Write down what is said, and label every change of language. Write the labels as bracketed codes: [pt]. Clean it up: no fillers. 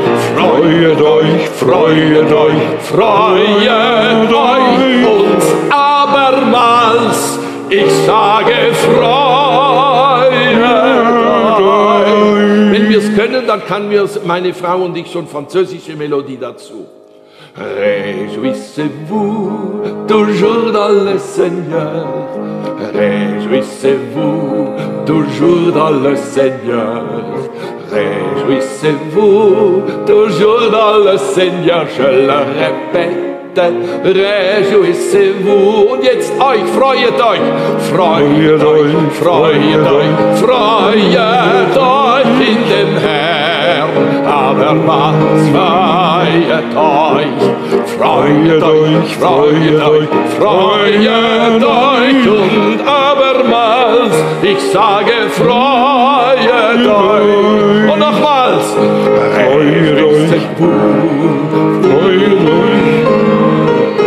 [de] Freuet euch, freuet euch, freuet euch und abermals. Ich sage, freuet euch. Wenn wir es können, dann kann mir meine Frau und ich schon französische Melodie dazu. [fr] Réjouissez-vous toujours dans le Seigneur. Réjouissez-vous toujours dans le Seigneur. Réjouissez-vous toujours dans le Seigneur. Je le répète. Réjouissez-vous [de] und jetzt euch, freuet euch, freuet euch, freuet euch, freuet euch in dem Herrn, abermals freuet euch, freuet euch, freuet euch, freuet euch und abermals, ich sage, freuet euch und nochmals, [fr] Réjouissez-vous, [de] freuet euch.